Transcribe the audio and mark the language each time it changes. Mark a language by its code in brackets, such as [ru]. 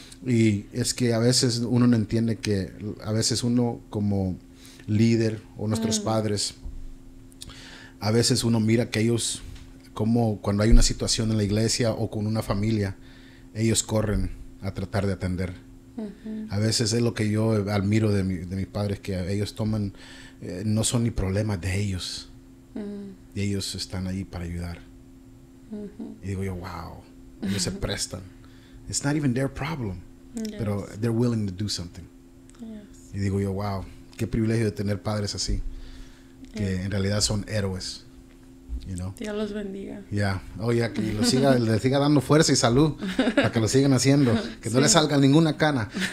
[es] Y es que a veces uno no entiende que a veces uno, como líder o nuestros padres, a veces uno mira que ellos, como cuando hay una situación en la iglesia o con una familia, ellos corren a tratar de atender. Uh-huh. A veces es lo que yo admiro de mis padres, que ellos toman, no son ni problemas de ellos. Uh-huh. Y ellos están ahí para ayudar. Uh-huh. Y digo yo, wow, ellos, uh-huh, se prestan. [en] It's not even their problem, yes, pero they're willing to do something. [es] Yes. Y digo yo, wow, qué privilegio de tener padres así, que, uh-huh, en realidad son héroes. Dios los bendiga. Que le siga dando fuerza y salud, para que lo sigan haciendo, que no le salga ninguna cana.